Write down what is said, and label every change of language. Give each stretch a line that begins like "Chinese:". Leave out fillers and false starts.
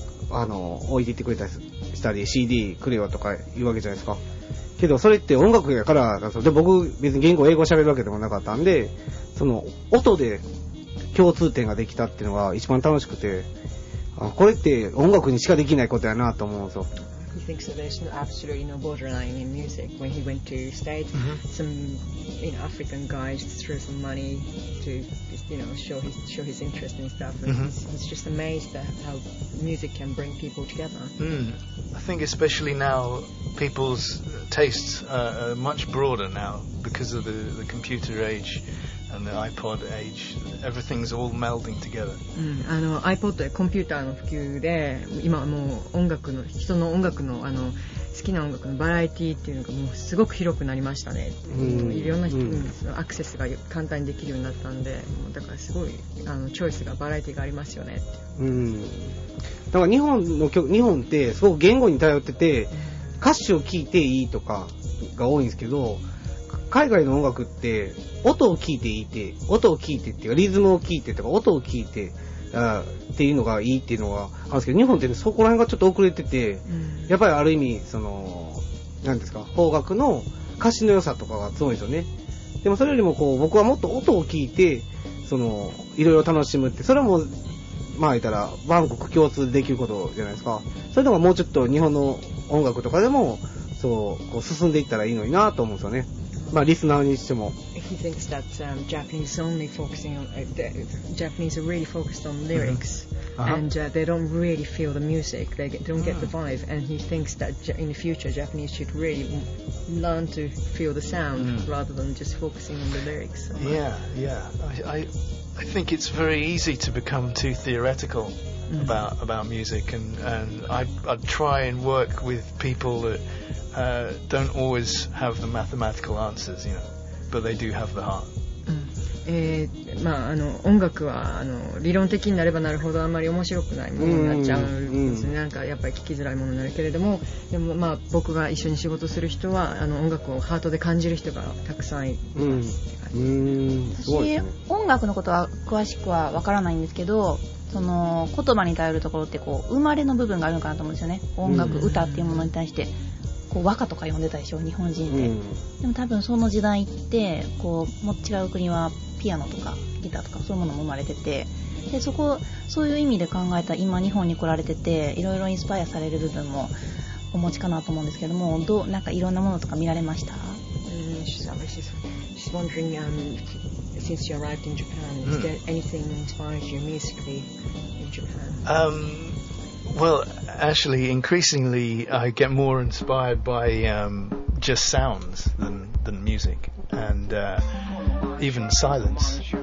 Japanese: 置いていってくれたりしたり CD くれよとか言うわけじゃないですか。けどそれって音楽やからなんですよ。で僕別に言語英語喋るわけでもなかったんで、その音で共通点ができたっていうのが一番楽しくて、あ、これって音楽にしかできないことやなと思うんですよ。
English: He thinks that there's absolutely no borderline in music. When he went to stage, some African guys threw some money to, show his interest and stuff. And he's just amazed at how music can bring people together. I think especially now, people's tastes are much broader now because of the computer age and the iPod age. Everything's all melding together.
Japanese: iPod やコンピューターの普及で今はもう音楽の人の音楽の好きな音楽のバラエティっていうのがもうすごく広くなりましたね。いろんな人のアクセスが簡単にできるようになったんで、だからすごいチョイスがバラエティがありますよね。だから日本ってすごく言語に頼ってて歌詞を聴いていいとかが多いんですけど、海外の音楽って音を聞いていいって、音を聞いてっていうかリズムを聞いてとか音を聞いてっていうのがいいっていうのはあるんですけど、日本って、ね、そこら辺がちょっと遅れてて、やっぱりある意味その何ですか、邦楽の歌詞の良さとかがすごいですよね。でもそれよりもこう僕はもっと音を聞いてそのいろいろ楽しむって、それもまあ言ったら万国共通できることじゃないですか。それでももうちょっと日本の音楽とかでもそうこう進んでいったらいいのになと思うんですよね。まあリスナーにしても。
English: He thinks that Japanese only focusing on Japanese are really focused on lyrics and they don't really feel the music. They don't get the vibe. And he thinks that in the future Japanese should really learn to feel the sound rather than just focusing on the lyrics. I think it's very easy to become too theoretical about music, and I try and work with people that don't always have the mathematical answers, you know, but they do have the heart.
Japanese: まあ音楽は理論的になればなるほどあまり面白くないものになっちゃうんですね。なんかやっぱり聞きづらいものになるけれども、でもまあ僕が一緒に仕事する人は音楽をハートで感じる人がたくさんいます。私音楽のことは詳しくはわからないんですけど、その言葉に頼るところってこう生まれの部分があるのかなと思うんですよね。音楽、歌っていうものに対してこう和歌とか読んでたでしょ、日本人で。でも多分その時代ってこう違う国はピアノとかギターとかそういうものも生まれてて、でそこそういう意味で考えた今日本に来られてていろいろインスパイアされる部分もお持ちかなと思うんですけども、どうなんかいろんなものとか見られました？
English: She's wondering, since you arrived in Japan, is there anything inspired you musically in Japan? Well, actually, increasingly, I get more inspired by just sounds than music, and even silence.